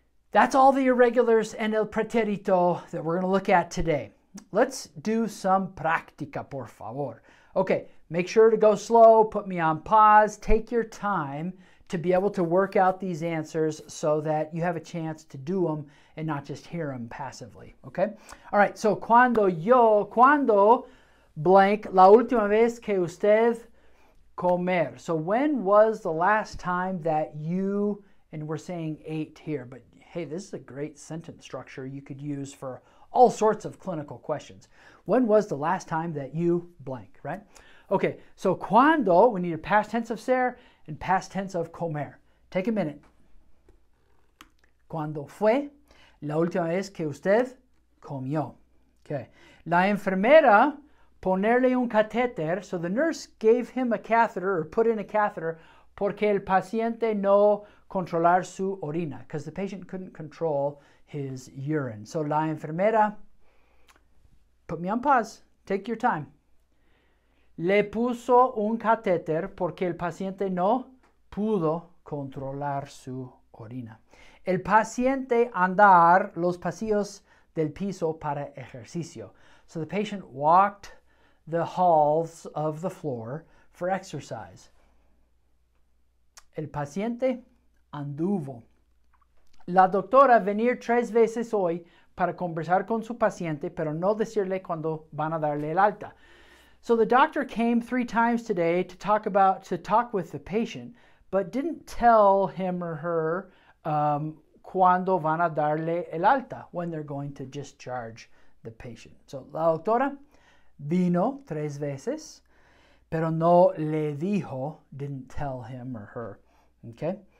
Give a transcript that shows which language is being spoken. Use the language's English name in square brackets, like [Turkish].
[English] That's all the irregulars and el pretérito that we're going to look at today. Let's do some práctica, por favor. Okay, make sure to go slow, put me on pause, take your time to be able to work out these answers so that you have a chance to do them and not just hear them passively, okay? All right, so [Spanish] cuando yo, cuando blank, la última vez que usted comer. [English] So when was the last time that you, and we're saying ate here, but hey, this is a great sentence structure you could use for all sorts of clinical questions. When was the last time that you blank, right? Okay, so cuando, we need a past tense of ser and past tense of comer. Take a minute. [Spanish] Cuando fue la última vez que usted comió. Okay, la enfermera ponerle un catéter. [English] So the nurse gave him a catheter or put in a catheter [Spanish] porque el paciente no controlar su orina, [English] because the patient couldn't control his urine. So [Spanish] la enfermera, [English] put me on pause, take your time. [Spanish] Le puso un catéter porque el paciente no pudo controlar su orina. El paciente andar los pasillos del piso para ejercicio. [English] So the patient walked the halls of the floor for exercise. [Spanish] El paciente anduvo. La doctora venir tres veces hoy para conversar con su paciente, pero no decirle cuando van a darle el alta. [English] So the doctor came three times today to talk about, to talk with the patient, but didn't tell him or her [Spanish] cuando van a darle el alta, [English] when they're going to discharge the patient. [Spanish] So la doctora vino tres veces, pero no le dijo, [English] didn't tell him or her. Okay?